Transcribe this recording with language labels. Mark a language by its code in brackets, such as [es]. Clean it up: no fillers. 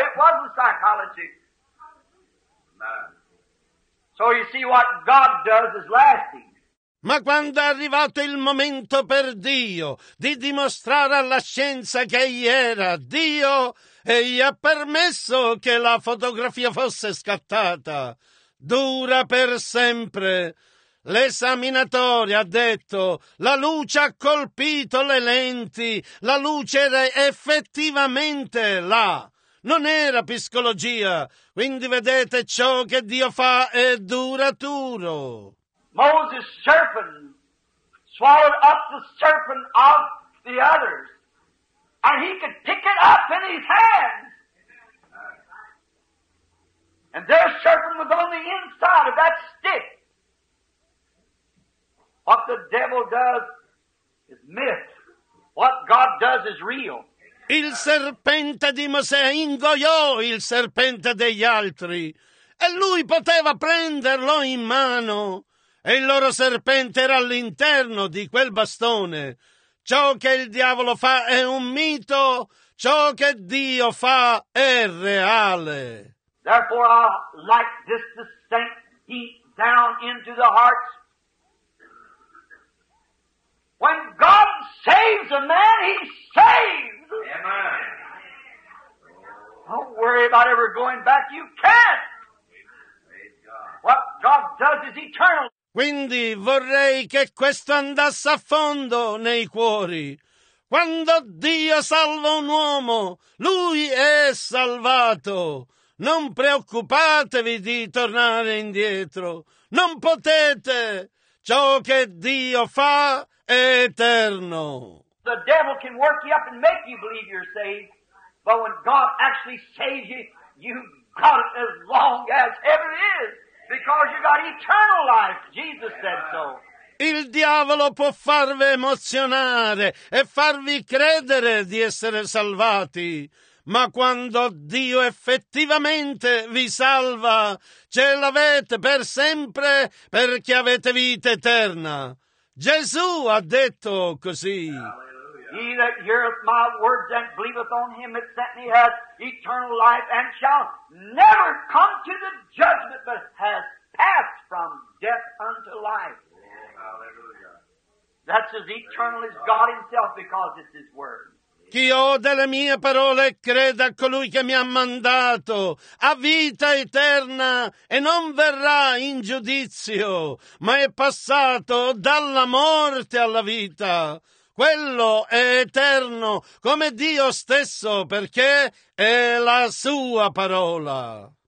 [en] It wasn't psychology. So you see what God does is lasting. [it] Ma quando è arrivato il momento per Dio di dimostrare alla scienza che egli era Dio, egli ha permesso che la fotografia fosse scattata. Dura per sempre. L'esaminatore ha detto, la luce ha colpito le lenti, la luce era effettivamente là. Non era psicologia, quindi vedete ciò che Dio fa è duraturo. [en] Moses' serpent swallowed up the serpent of the others, and he could pick it up in his hand. And their serpent was on the inside of that stick. What the devil does is myth. What God does is real. [it] Il serpente di Mosè ingoiò il serpente degli altri e lui poteva prenderlo in mano. E il loro serpente era all'interno di quel bastone. Ciò che il diavolo fa è un mito, ciò che Dio fa è reale. [en] Therefore I like this to sink deep down into the hearts. When God saves a man, he saves. Amen. Don't worry about ever going back, you can't. What God does is eternal. [it] Quindi vorrei che questo andasse a fondo nei cuori. Quando Dio salva un uomo, lui è salvato. Non preoccupatevi di tornare indietro. Non potete. Ciò che Dio fa è eterno. [en] The devil can work you up and make you believe you're saved, but when God actually saves you, you've got it as long as heaven is. Because you got eternal life, Jesus said so. [it] Il diavolo può farvi emozionare e farvi credere di essere salvati, ma quando Dio effettivamente vi salva, ce l'avete per sempre perché avete vita eterna. Gesù ha detto così. [en] He that heareth my words and believeth on him that sent me hath eternal life and shall never come to the judgment but hath passed from death unto life. Hallelujah. That's as eternal as God himself because it's his word. [it] Chi ode le mie parole e crede a colui che mi ha mandato ha vita eterna e non verrà in giudizio ma è passato dalla morte alla vita. Quello è eterno, come Dio stesso, perché è la sua parola.